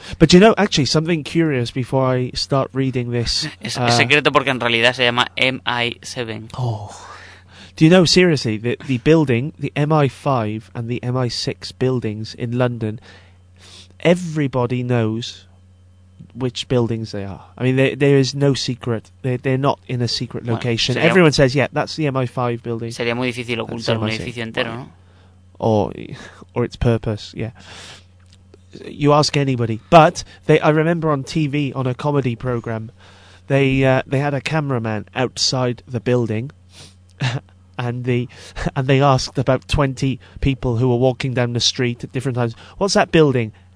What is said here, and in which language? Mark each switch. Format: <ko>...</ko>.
<en>But you know, actually, something curious before I start reading this...</en> <es>es secreto porque en realidad se llama MI7. Oh.</es> <en>Do you know, seriously, the building, the MI5 and the MI6 buildings in London... Everybody knows which buildings they are. I mean, there is no secret. They're not in a secret location.</en> <es>Bueno,</es> <en>everyone says, yeah, that's the MI5 building.</en> <es>Sería muy difícil ocultar un edificio entero, ¿no?</es> <en>Or its purpose, yeah. You ask anybody. But I remember on TV, on a comedy program, they had a cameraman outside the building and they asked about 20 people who were walking down the street at different times, what's that building?</en>